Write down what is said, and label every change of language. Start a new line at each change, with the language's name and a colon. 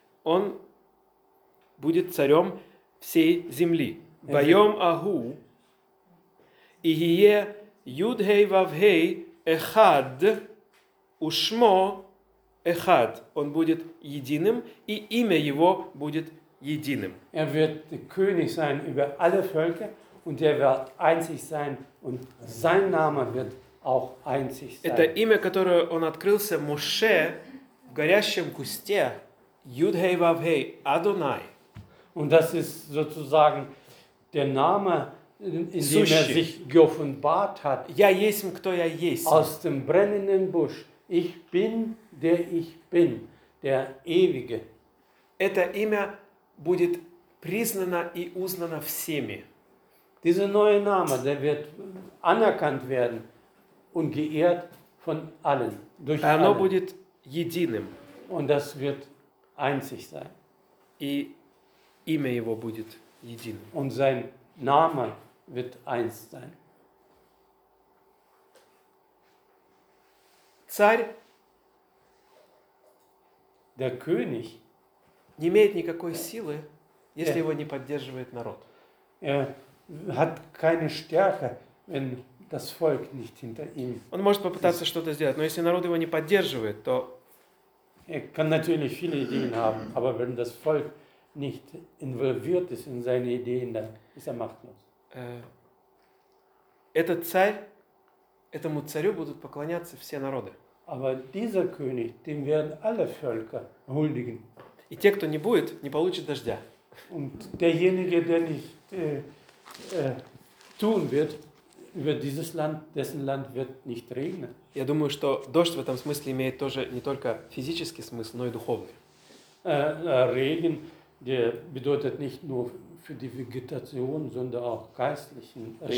Russian: Он будет царем всей земли.
Hebrew: Байом Аху, Ихие Юдхей Вавхей Эхад, Ушмо Эхад.
Russian: Он будет единым, и имя его будет единым. Он будет
German: König sein über alle Völker, und wird einzig sein, und sein Name wird auch einzig sein.
Russian: Это имя, которое он открылся Моше в горящем кусте.
Hebrew: Юдхей Вавхей Адонай.
German: Und das ist sozusagen der Name, in dem er sich geoffenbart hat.
Russian: Я есть, кто я есть.
German: Aus dem brennenden Busch. Ich bin, der ich bin. Der Ewige.
Russian: Это имя будет признано и узнано всеми.
German: Dieser neue Name, der wird anerkannt werden und geehrt von allen. Durch alle.
Russian: Оно будет единым.
German: Und das wird einzig sein.
Russian: И имя его будет единым.
German: Und sein Name wird eins sein.
Russian: Царь,
German: der König,
Russian: не имеет никакой силы, если его не поддерживает народ.
German: Er hat keine Stärke, wenn das Volk nicht hinter ihm ist.
Russian: Он может попытаться что-то сделать, но если народ его не поддерживает, то
German: er kann natürlich viele Ideen haben, aber wenn das Volk nicht involviert ist in seine Ideen, dann ist machtlos.
Russian: Этот царь, этому царю будут поклоняться все народы.
German: Aber dieser König, dem werden alle Völker huldigen.
Russian: И те, кто не будет, не получат дождя.
German: Und derjenige, der nicht tun wird, über dieses Land, dessen Land wird nicht regnen.
Russian: Я думаю, что дождь в этом смысле имеет тоже не только физический смысл, но и духовный.
German: Regen, der bedeutet nicht nur für die Vegetation, sondern auch geistlichen Regen.